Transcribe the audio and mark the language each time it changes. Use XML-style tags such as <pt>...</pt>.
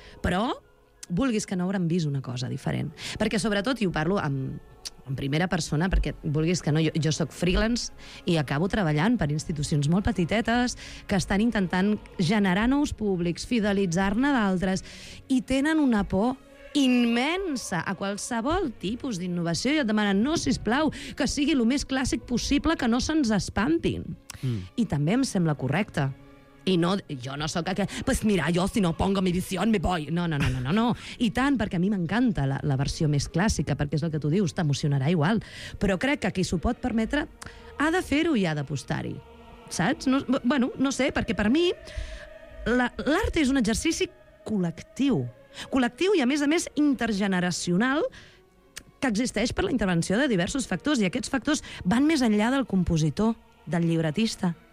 <ca>Però vulguis que no hauran vist una cosa diferent. Perquè, sobretot, i ho parlo en primera persona, perquè vulguis que no, jo sóc freelance i acabo treballant per institucions molt petitetes que estan intentant generar nous públics, fidelitzar-ne d'altres, i tenen una por immensa a qualsevol tipus d'innovació, i et demanen, no, sisplau, que sigui el més clàssic possible, que no se'ns espantin. I també em sembla correcte. I no, jo no sóc aquest,</ca> <es>pues mira, jo si no pongo mi visión, me voy.</es> <ca>No. I tant, perquè a mi m'encanta la versió més clàssica, perquè és el que tu dius, t'emocionarà igual. Però crec que qui s'ho pot permetre ha de fer-ho i ha d'apostar-hi. Saps? No, bueno, no sé, perquè per mi l'art és un exercici col·lectiu. Col·lectiu i, a més, intergeneracional, que existeix per la intervenció de diversos factors, i aquests factors van més enllà del compositor, del llibretista.</ca>